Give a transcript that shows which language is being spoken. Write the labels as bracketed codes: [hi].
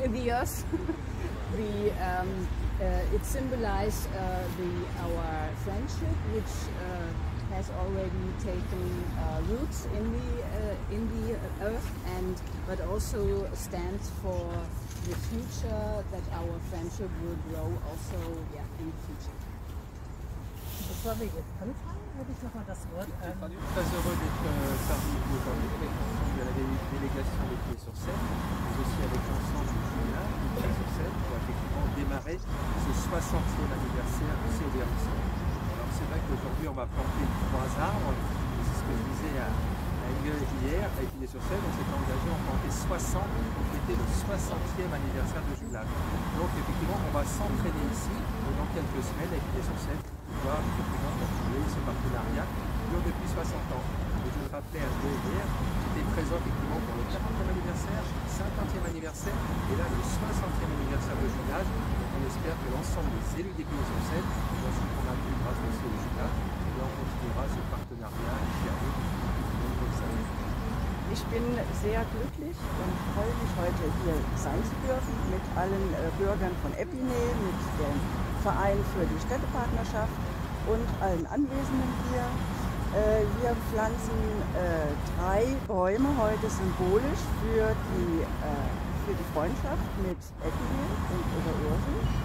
[en] In the earth, the it symbolizes our friendship, which has already taken roots in the earth, and but also stands for the future, that our friendship will grow also, yeah, in the future. [de] Bevor wir jetzt anfangen, würde ich noch mal das Wort [fr] démarrer ce 60e anniversaire de ces versions. Alors c'est vrai qu'aujourd'hui on va planter trois arbres, c'est ce que je disais à Gueule hier, à Épinay-sur-Seine, on s'est engagé à en planter 60 pour fêter le 60e anniversaire de jumelage. Donc effectivement on va s'entraîner ici pendant quelques semaines à Épinay-sur-Seine pour pouvoir effectivement continuer ce partenariat qui dure depuis 60 ans. Et je vous rappelais à Gueule hier, j'étais présent effectivement pour le 40e anniversaire, 50e anniversaire et là le 60e anniversaire de jumelage. On espère que l'ensemble des élus des pays sont dans ce qu'on a pu grâce aussi au jumelage, et on continuera ce partenariat qui arrive. [de] Ich bin sehr glücklich und freue mich heute hier sein zu dürfen mit allen Bürgern von Épinay, mit dem Verein für die Städtepartnerschaft und allen Anwesenden hier. Wir pflanzen drei Bäume heute symbolisch für die Freundschaft mit Épinay und Oberursel.